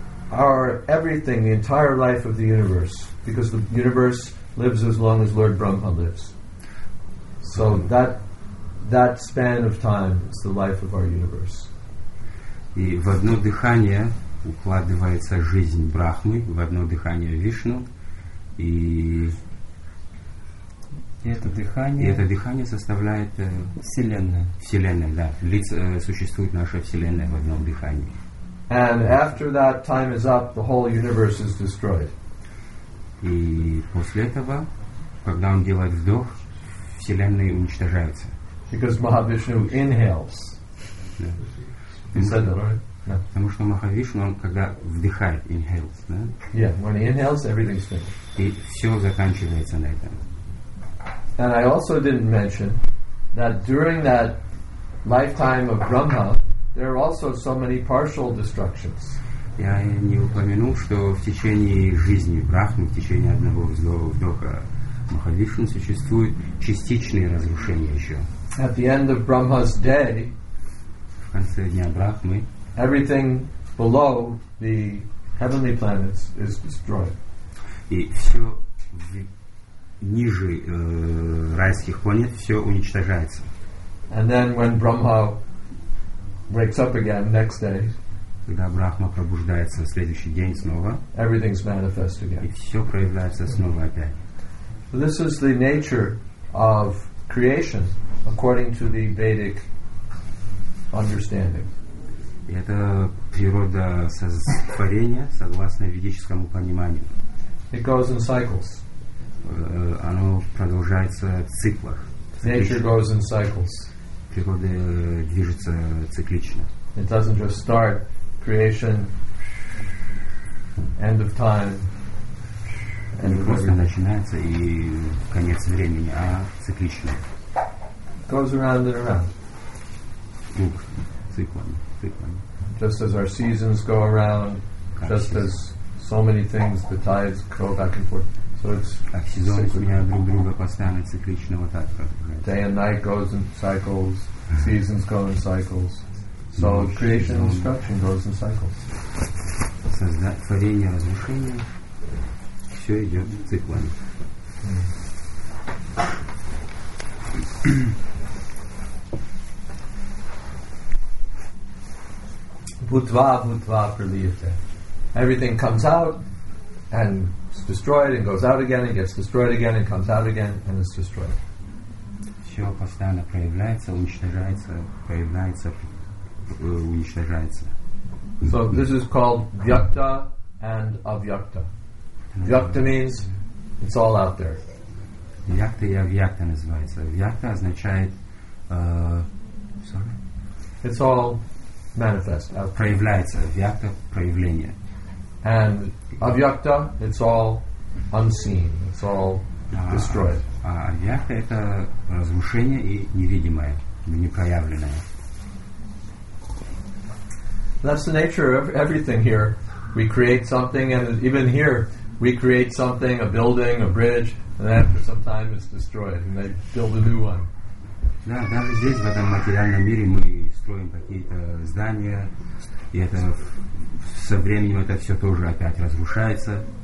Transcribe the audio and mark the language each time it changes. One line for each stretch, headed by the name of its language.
English: are everything, the entire life of the universe, because the universe lives as long as Lord Brahma lives. So that span of time is the life of our universe.
Russian: И в одно дыхание укладывается жизнь Брахмы, в одно дыхание Вишну, и это дыхание составляет Вселенная, да. Существует наша Вселенная в одном дыхании.
English: And after that time is up, the whole universe is destroyed.
Russian: И после этого, когда он делает вдох, Вселенная уничтожается.
English: Because Mahavishnu inhales. Yeah. You said that, right? Yeah.
Russian: Потому что Махавишну, он когда вдыхает,
English: inhales,
Russian: да?
English: Yeah, when he inhales, everything's finished.
Russian: И все заканчивается на этом.
English: And I also didn't mention that during that lifetime of Brahma, there are also so many partial destructions.
Russian: Я не упомянул, что в течение жизни Брахмы, в течение одного вдоха Махавишну, существуют частичные разрушения еще.
English: At the end of Brahma's day,
Russian: в конце дня Брахмы,
English: everything below the heavenly planets is destroyed.
Russian: И все ниже райских планет все уничтожается.
English: And then when Brahma wakes up again next day,
Russian: когда Брахма пробуждается в следующий день снова,
English: everything's manifest again.
Russian: И все проявляется снова опять.
English: So this is the nature of creation according to the Vedic understanding.
Russian: Это природа сотворения согласно ведическому пониманию.
English: It goes in cycles.
Russian: Оно продолжается в циклах.
English: Nature goes in cycles.
Russian: Природа движется циклично.
English: It doesn't just start creation, end of time.
Russian: Не просто начинается и конец времени, а циклично.
English: It goes around and around.
Russian: Круг, циклами.
English: Just as our seasons go around, just as so many things, the tides go back and forth. So it's
Russian: как сезоны меняют друг друга постоянно, циклично, вот так.
English: Day and night goes in cycles, seasons go in cycles. So creation and destruction goes in cycles.
Russian: Творение, разрушение, все идет циклами.
Sanskrit: Bhutva, bhutva, praliyate.
English: Everything comes out and it's destroyed and goes out again and gets destroyed again and comes out again and it's destroyed.
Russian: Все постоянно проявляется, уничтожается, проявляется, уничтожается.
English: So this is called vyakta and avyakta. Vyakta means it's all out there.
Russian: Vyakta и avyakta называется. Vyakta означает...
English: It's all... Manifest.
Russian: Проявляется. Вьякта – проявление.
English: And avyakta, it's all unseen. It's all destroyed.
Russian: А avyakta – это разрушение и невидимое, непроявленное.
English: That's the nature of everything here. We create something, and even here, we create something, a building, a bridge, and after some time, it's destroyed, and they build a new one.
Russian: Да, даже здесь, в этом материальном мире, мы строим какие-то здания, и это со временем это все тоже опять разрушается.